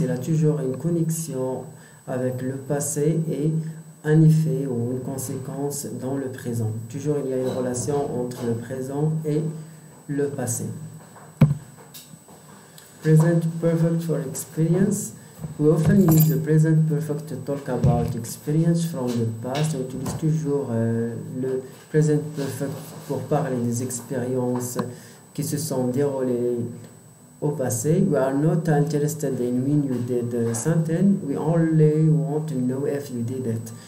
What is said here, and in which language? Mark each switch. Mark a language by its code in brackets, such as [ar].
[fr] Il a toujours une connexion avec le passé et un effet ou une conséquence dans le présent. Toujours, il y a une relation entre le présent et le passé. [en] Present perfect for experience. We often use the present perfect to talk about experience from the past. [fr] On utilise toujours le present perfect pour parler des expériences qui se sont déroulées au passé. [en] We are not interested in when you did something. We only want to know if you did it.